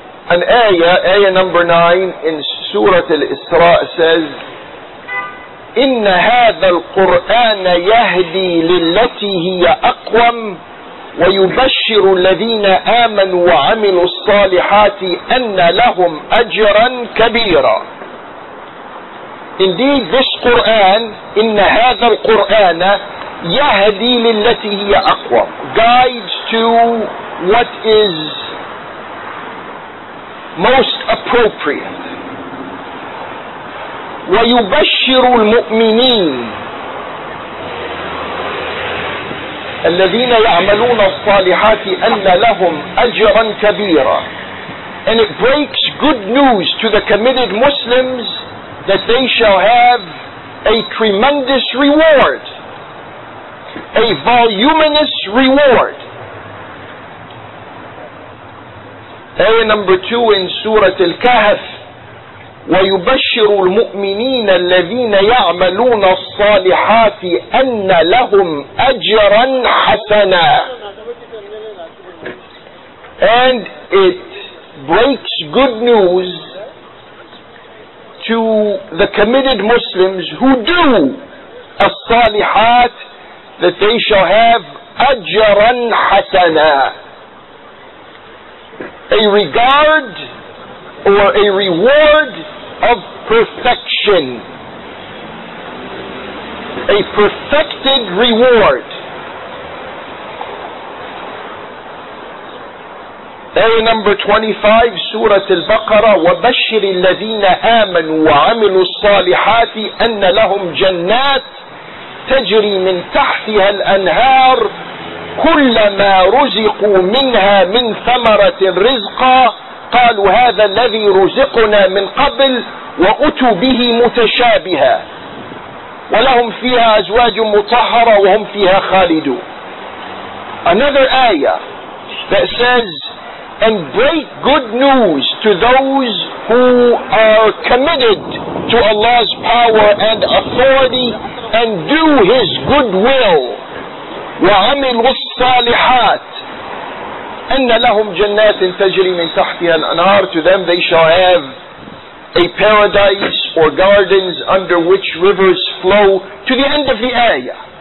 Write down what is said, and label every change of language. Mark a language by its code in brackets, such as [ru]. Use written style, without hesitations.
[en] An ayah number 9 in Surah Al-Isra says, [ar] إِنَّ هَذَا الْقُرْآنَ يَهْدِي لِلَّتِي هِيَ أَقْوَمْ وَيُبَشِّرُ الَّذِينَ آمَنُوا وَعَمِلُوا الصَّالِحَاتِ أَنَّ لَهُمْ أَجْرًا كَبِيرًا. [en] Indeed, this Quran, [ar] إِنَّ هَذَا الْقُرْآنَ يَهْدِي لِلَّتِي هِيَ أَقْوَمْ, [en] guides to what is most appropriate. [ar] وَيُبَشِّرُ الْمُؤْمِنِينَ الَّذِينَ يَعْمَلُونَ الصَّالِحَاتِ أَنَّ لَهُمْ أَجْرًا كَبِيرًا. [en] And it breaks good news to the committed Muslims that they shall have a tremendous reward, a voluminous reward. Ayah number 2 in Surah Al-Kahf, [ar] وَيُبَشِّرُ الْمُؤْمِنِينَ الَّذِينَ يَعْمَلُونَ الصَّالِحَاتِ أَنَّ لَهُمْ أَجْرًا حَسَنًا. [en] And it breaks good news to the committed Muslims who do الصالحات that they shall have [ar] أَجْرًا حَسَنًا, [en] a regard or a reward of perfection, a perfected reward. Ayah number 25, Surah Al-Baqarah, [ar] وَبَشِّرِ الَّذِينَ آمَنُوا وَعَمِلُوا الصَّالِحَاتِ أَنَّ لَهُمْ جَنَّاتٍ تَجْرِي مِنْ تَحْتِهَا الْأَنْهَارِ كُلَّمَا رُزِقُوا مِنْهَا مِنْ ثَمَرَةٍ رِزْقًا قَالُوا هَذَا الَّذِي رُزِقُنَا مِنْ قَبْلٍ وَأُتُوا بِهِ مُتَشَابِهًا وَلَهُمْ فِيهَا أَزْوَاجٌ مُطَهَّرَةٌ وَهُمْ فِيهَا خَالِدُونَ. [en] Another ayah that says, and break good news to those who are committed to Allah's power and authority and do His good will. [ar] وَعَمِلُوا الصَّالِحَاتِ أَنَّ لَهُمْ جَنَّاتٍ تَجْرِي مِنْ تَحْتِهَا الْأَنْهَارِ, [en] to them they shall have a paradise or gardens under which rivers flow, to the end of the ayah.